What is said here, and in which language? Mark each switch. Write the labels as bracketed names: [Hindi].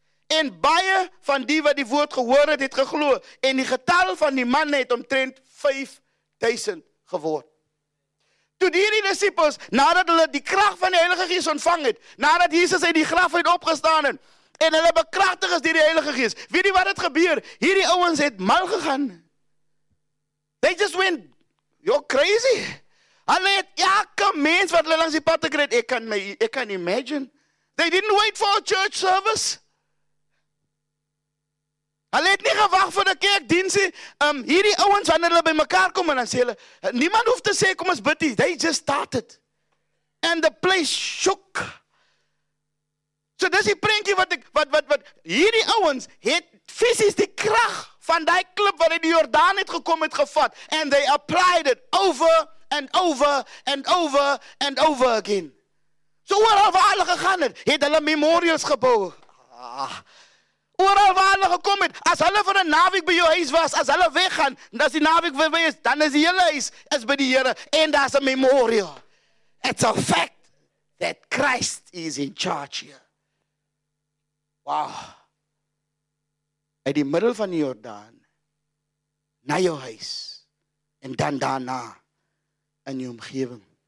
[Afrikaans] En baie van die wat die woord gehoor het, het geglo en die getal van die manne het omtrent 5000 geword. Toe die disippels, nadat hulle die krag van die Heilige Gees ontvang het, nadat Jesus uit die graf uit opgestaan het, en hulle bekragtig is deur die Heilige Gees, weet jy wat het gebeur? Hierdie ouens het mal gegaan. [English] They just went, you're crazy. [Afrikaans] Hulle het elke mens wat hulle langs die pad te kry, ek kan imagine. [English] They didn't wait for a church service. [Afrikaans] Hulle het nie gewag vir 'n kerkdiens nie. Hierdie ouens wanneer hulle by mekaar kom en dan sê hulle, niemand hoef te sê kom ons bid nie. [English] They just started. And the place shook. [Afrikaans] So dis die prentjie wat hierdie ouens het fisies die krag van daai klip wat uit die Jordaan het gekom het gevat [English] and they applied it over and over and over and over again. [Afrikaans] So oral waar hulle gegaan het hulle memorials gebou. Oral waar hulle gekom het, as hulle vir 'n naweek by jou huis was, as hulle weggaan, as die naweek verby is, dan is die hele huis is by die Here en daar's 'n memorial. [English] It's a fact that Christ is in charge here. Wow. [Afrikaans] Uit die middel van die Jordaan na jou huis en dan daarna in jou omgewing.